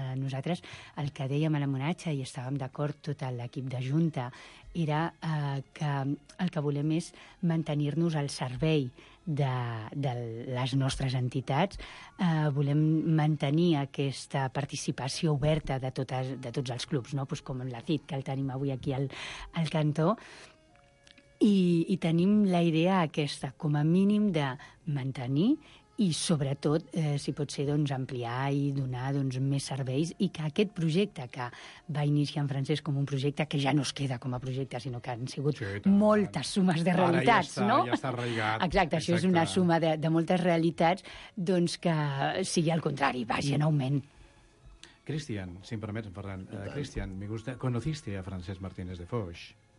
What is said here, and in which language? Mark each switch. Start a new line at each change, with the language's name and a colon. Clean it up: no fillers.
Catalan: Nosaltres, el que dèiem a l'homenatge, i estàvem d'acord tot l'equip de Junta, era que el que volem és mantenir-nos al servei de les nostres entitats. Volem mantenir aquesta participació oberta de tots els clubs, no? Pues com la CIT, que el tenim avui aquí al cantó. I tenim la idea aquesta, com a mínim, de mantenir i, sobretot, si pot ser, doncs, ampliar i donar doncs, més serveis, i que aquest projecte que va iniciar en Francesc com un projecte que ja no es queda com a projecte, sinó que han sigut moltes sumes de realitats, ara ja està, no? Ja està arraigat. Exacte, això és una suma de moltes realitats, doncs que sigui al contrari, vagi en augment. Cristian, si em permets, Ferran. Cristian,
Spanish: me gusta... ¿Conociste a Francesc Martínez de Foix?